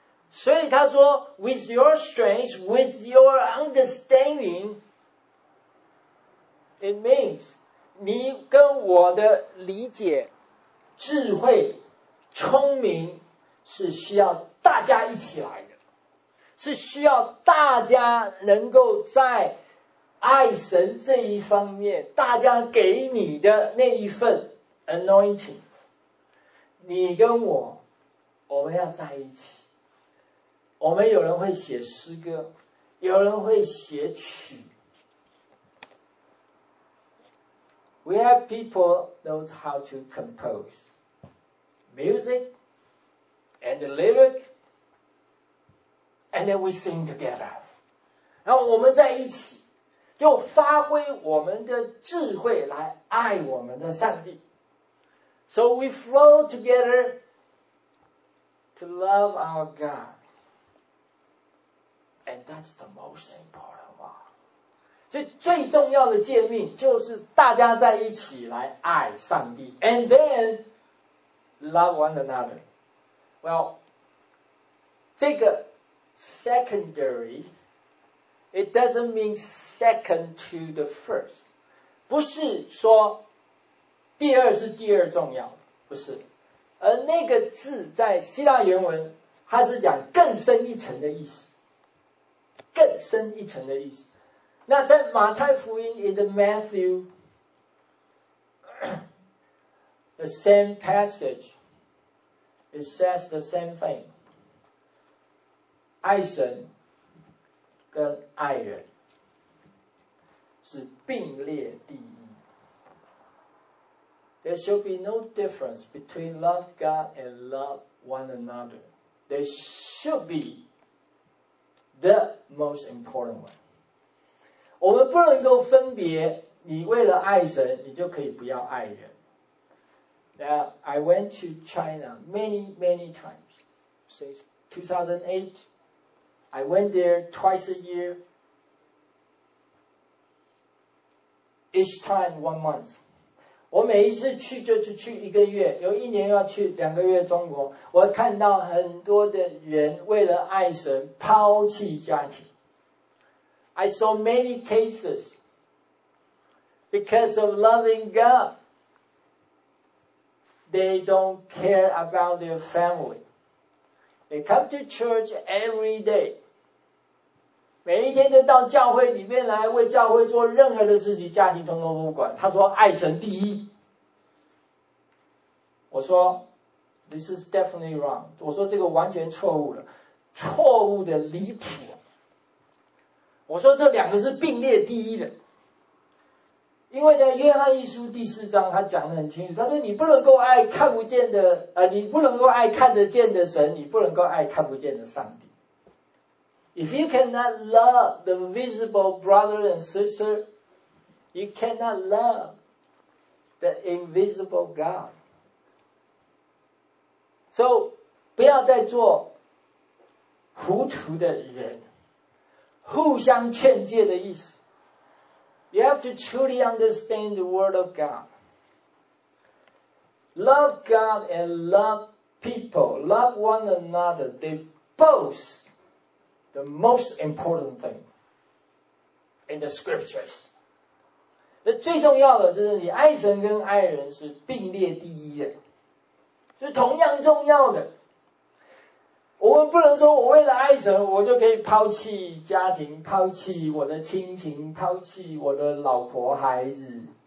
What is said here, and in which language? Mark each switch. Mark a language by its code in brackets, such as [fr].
[zh] 所以他说 [en] with your strength, with your understanding, it means [zh] 你跟我的理解、智慧、聪明是需要大家一起来的，是需要大家能够在爱神这一方面，大家给你的那一份 anointing， 你跟我们要在一起。我们有人会写诗歌，有人会写曲。 [en] We have people knows how to compose music and the lyric, and then we sing together. [zh] 然后我们在一起。就发挥我们的智慧来爱我们的上帝。 [en] So we flow together to love our God. And that's the most important one. [zh] 所以最重要的诫命就是大家在一起来爱上帝。 [en] And then love one another. Well, [zh] 这个 [en] secondary,It doesn't mean second to the first. [zh] 不是说第二是第二重要，不是。而那个字在希腊原文，它是讲更深一层的意思。更深一层的意思。那在马太福音 [en] in the Matthew, the same passage, it says the same thing. [zh] 爱神跟爱人是并列第一。 [en] There should be no difference between love God and love one another. There should be the most important one. [zh] 我们不能够分别，你为了爱神，你就可以不要爱人。 [en] Now, I went to China many, many times. Since 2008,I went there twice a year, each time 1 month. [zh] 我每一次去就是去一个月，有一年要去两个月中国。我看到很多的人为了爱神抛弃家庭。 [en] I saw many cases because of loving God, they don't care about their family. They come to church every day. [zh] 每一天都到教会里面来为教会做任何的事情，家庭统统不管。他说爱神第一。我说 [en] This is definitely wrong. [zh] 我说这个完全错误了，错误的离谱。我说这两个是并列第一的。因为在约翰一书第四章他讲得很清楚，他说你不能够爱看不见的你不能够爱看得见的神，你不能够爱看不见的上帝。 [en] If you cannot love the visible brother and sister, you cannot love the invisible God. So, [zh] 不要再做糊涂的人，互相劝诫的意思。 [en] You have to truly understand the word of God. Love God and love people, love one another. They both the most important thing in the scriptures. [zh] 那最重要的就是你爱神跟爱人是并列第一的，是同样重要的。我们不能说我为了爱神，我就可以抛弃家庭，抛弃我的亲情，抛弃我的老婆孩子。